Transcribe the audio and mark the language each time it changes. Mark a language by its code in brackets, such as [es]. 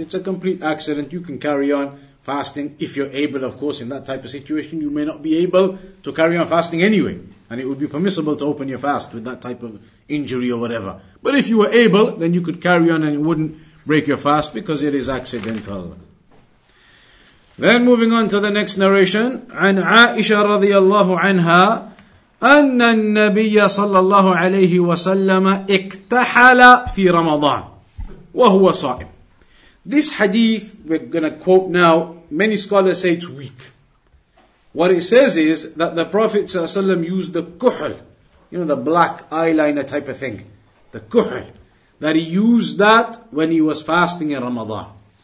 [en] It's a complete accident. You can carry on fasting if you're able. Of course, in that type of situation, you may not be able to carry on fasting anyway. And it would be permissible to open your fast with that type of injury or whatever. But if you were able, then you could carry on and it wouldn't break your fast because it is accidental. Then moving on to the next narration. [ar] عن عائشة رضي الله عنها أن النبي صلى الله عليه وسلم اكتحل في رمضان وهو صائم. [en] This hadith we're going to quote now, many scholars say it's weak. What it says is that the Prophet ﷺ used the kuhl, you know, the black eyeliner type of thing, the kuhl, that he used that when he was fasting in Ramadan.